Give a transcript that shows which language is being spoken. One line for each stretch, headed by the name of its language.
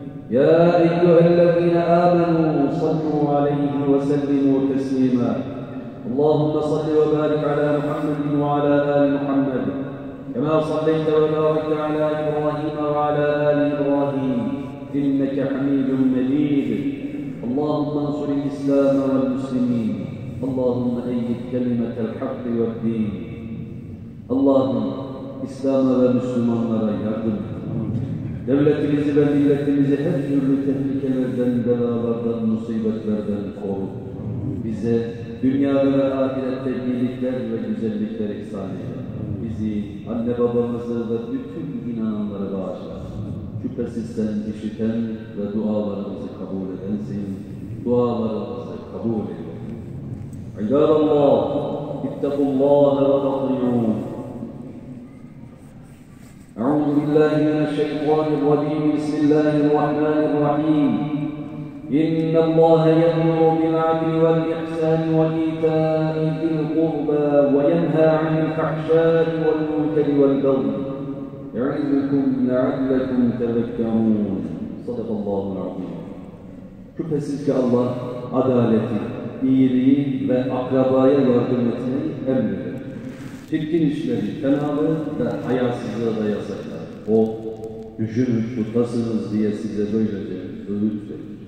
Arabic: يا أيها الذين آمنوا صلوا عليه وسلموا تسليما اللهم صل وبارك على محمد وعلى آل محمد كما صليت وباركت على إبراهيم وعلى آل إبراهيم إنك حميد مجيد اللهم انصر الإسلام والمسلمين اللهم أيد كلمة الحق والدين اللهم إسلام والمسلمين يردن
Turkish: devletimizi ve milletimizi her türlü tehlikelerden, belalardan, musibetlerden koru. Bize dünyada ve ahirette iyilikler ve güzellikler ihsan eyle. Bizi, anne babamızı ve bütün inananları bağışla. Şüphesiz sen işiten ve dualarımızı kabul edensin. Dualarımızı kabul eyle.
Arabic: İbadallah, ittakullâhe ve tatiyûn. أعوذ بالله من الشيطان الرجيم بسم الله الرحمن الرحيم إن الله يأمر بالعدل والإحسان وإيتاء ذي القربى وينهى عن الفحشاء والمنكر والبغي يعظكم لعلكم تذكرون. صدق الله العظيم.
Turkish: Şüphesiz ki Allah adaleti, iyiliği ve akrabaya yardımını emreder. Çirkin işleri, fenalığı ve hayasızlığı da yasaklar. O, düşünün tutasınız diye size böylece öğüt verir.